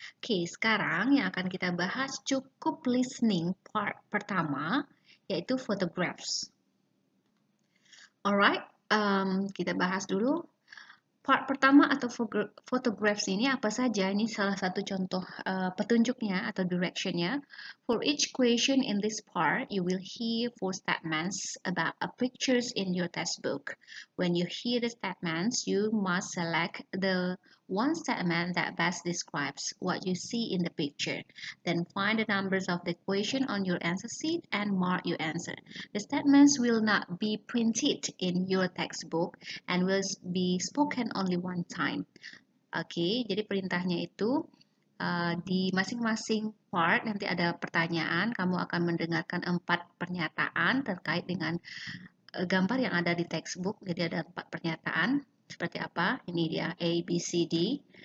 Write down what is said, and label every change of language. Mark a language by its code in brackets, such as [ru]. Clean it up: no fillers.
[id] Oke, sekarang yang akan kita bahas cukup listening part pertama, yaitu photographs. Alright, kita bahas dulu. Part pertama atau photographs ini apa saja? Ini salah satu contoh petunjuknya atau directionnya. [en] For each question in this part, you will hear four statements about a pictures in your textbook. When you hear the statements, you must select the one statement that best describes what you see in the picture. Then find the numbers of the question on your answer sheet and mark your answer. The statements will not be printed in your textbook and will be spoken only one time. [id] Okay, jadi perintahnya itu di masing-masing part nanti ada pertanyaan, kamu akan mendengarkan empat pernyataan terkait dengan gambar yang ada di textbook. Jadi ada empat pernyataan. Seperti apa? Ini dia A, B, C, D.